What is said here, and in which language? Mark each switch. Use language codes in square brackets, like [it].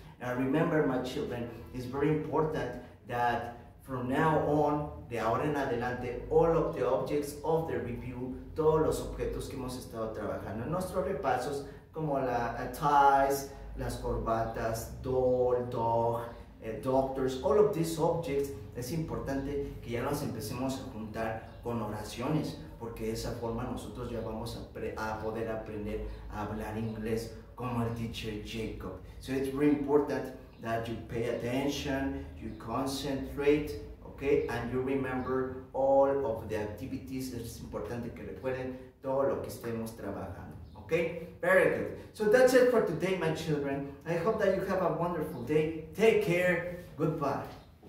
[en] Now remember, my children, it's very important that from now on, [es] de ahora en adelante, [en] all of the objects of the review, [es] todos los objetos que hemos estado trabajando en nuestros repasos, como la ties, las corbatas, [en] doll, dog, doctors, all of these objects, [es] es importante que ya nos empecemos a juntar con oraciones, porque de esa forma nosotros ya vamos a poder aprender a hablar inglés como el teacher Jacob. [en] So it's very important that you pay attention, you concentrate, okay? And you remember all of the activities. [es] Es importante que recuerden todo lo que estemos trabajando, okay? [en] Very good. So that's it for today, my children. I hope that you have a wonderful day. Take care. Goodbye.